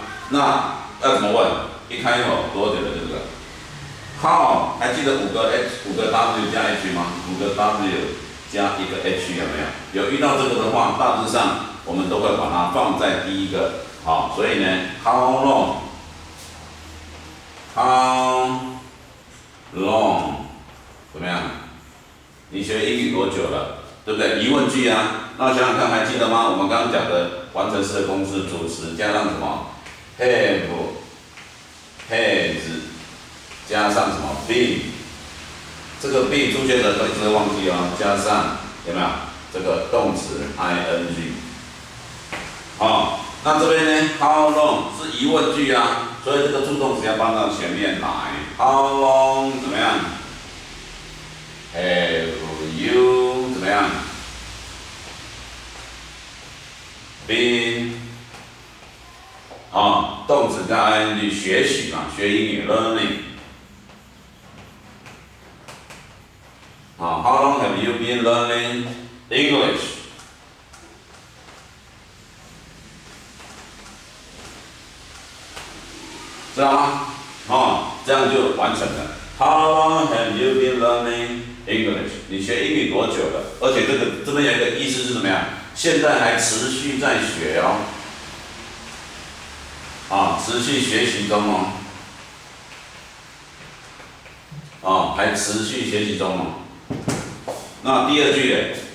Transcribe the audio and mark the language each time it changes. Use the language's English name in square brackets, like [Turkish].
[Chinese] 那要怎么问？一开口多久了？这个 [English] How [Chinese] 还记得五个 W 加 H 吗？五个 W 加一个 H 有没有？有遇到这个的话，大致上我们都会把它放在第一个。好，所以呢 ， [English] How long？ How long [Chinese] 怎么样？你学英语多久了？对不对？疑问句啊。那想想看，还记得吗？我们刚刚讲的完成式的公式，主词加上什么 ？ [English] Have, has， [Chinese] 加上什么 ？ [English] Been。 [Chinese] 这个 been 出现的都一直忘记哦。加上有没有这个动词 ing？好，那这边呢 ？How long 是疑问句啊，所以这个助动词要放到前面来。 [English] How long [Chinese] 怎么样 ？ [English] Have you [Chinese] 怎么样 ？ [English] Been [Chinese] 啊、哦，动词加 ing 学习嘛，学英语 [English] learning。啊、哦、，How long have you been learning English？ [Chinese] 知道吗？啊、哦。这样就完成了。 [English] How long have you been learning English? [Chinese] 你学英语多久了？而且这个这边有一个意思是怎么样？现在还持续在学哦，啊，持续学习中哦，啊，还持续学习中哦。那第二句呢？